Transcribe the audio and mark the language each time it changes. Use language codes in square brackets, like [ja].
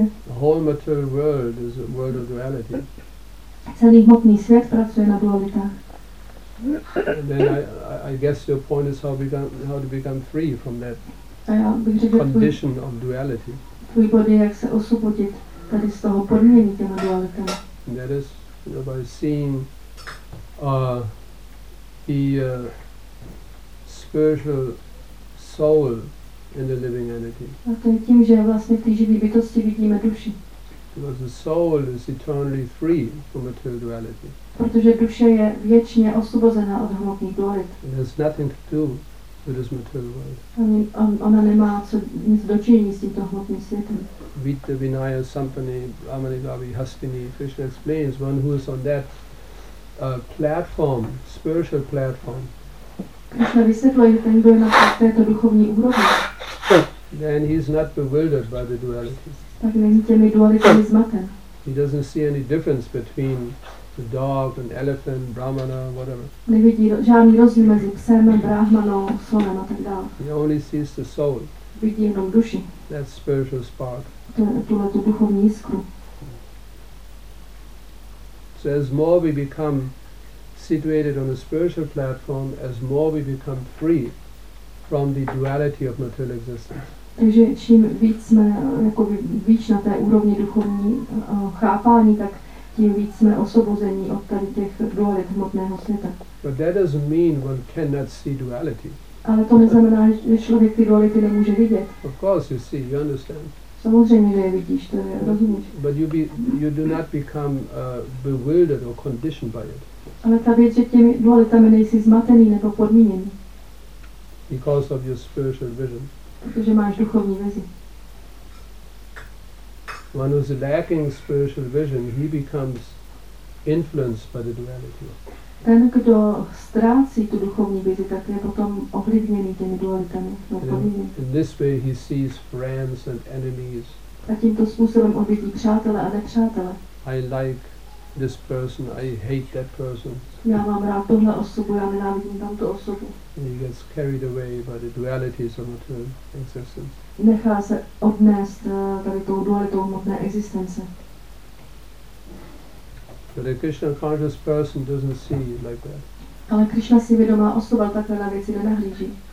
[en] The whole material world is a world of duality. [cs] Celý hmotný svět pracuje na dualitách. [en] Then I guess your point is how to become free from that condition of duality. [cs] Tvůj bod je, jak se osvobodit tady z toho podmínění těma dualitami. [en] That is, you know, by seeing the spiritual soul in the living entity. [cs] A to je tím, že vlastně v té živé bytosti vidíme duši. [en] Because the soul is eternally free from material duality. [cs] Protože duše je věčně osvobozená od hmotných dualit. [en] It has nothing to do with this material world. [cs] Ona nemá nic dočinění s tímto hmotným světem. [sa] Vita, Vinaya, Sampani, Amanigavi, Hastini, [en] Krishna explains, one who is on that platform, spiritual platform. [cs] Krishna vysvětluje, ten, kdo je na této duchovní úrovni. [en] Then he is not bewildered by the duality. [cs] Tak není těmi dualitami zmaten. [en] He doesn't see any difference between the dog, an elephant, brahmana, whatever. [cs] Nevidí žádný rozdíl mezi psem, brahmanou, slonem a tak dále. [en] He only sees the soul. [cs] Vidí jenom duši. [en] That spiritual spark. [cs] Tuhle duchovní jiskru. [en] So as more we become situated on a spiritual platform, as more we become free from the duality of material existence. [cs] Takže čím víc jsme jakoby víc na té úrovni duchovní chápání, tak tím víc jsme osvobození od tady těch dualit hmotného světa. [en] But that doesn't mean one cannot see duality. [cs] Ale to neznamená, že člověk ty duality nemůže vidět. [en] Of course you see, you understand. [cs] Samozřejmě, že je vidíš, to je, rozumíš. [en] But you do not become bewildered or conditioned by it. [cs] Ale ta věc, že těmi dualitami nejsi zmatený nebo podmíněný. [en] Because of your spiritual vision. [cs] Protože máš duchovní vizi. [en] One who is lacking spiritual vision, he becomes influenced by the duality. [cs] Ten, kdo ztrácí tu duchovní vizi, tak je potom ovlivněný těmi dualitami. [en] In this way he sees friends and enemies. [cs] A tímto způsobem on vidí přátele a nepřátele. [en] I like this person, I hate that person. [cs] Já mám rád tuhle osobu, já nenávidím tamto osobu. [en] And he gets carried away by the dualities of material existence. [cs] Nechá se odnést tady tou dualitou hmotné existence. [en] But a Krishna conscious person doesn't see it like that. [cs] Ale Krishna si vědomá osoba takhle na věci nenahlíží.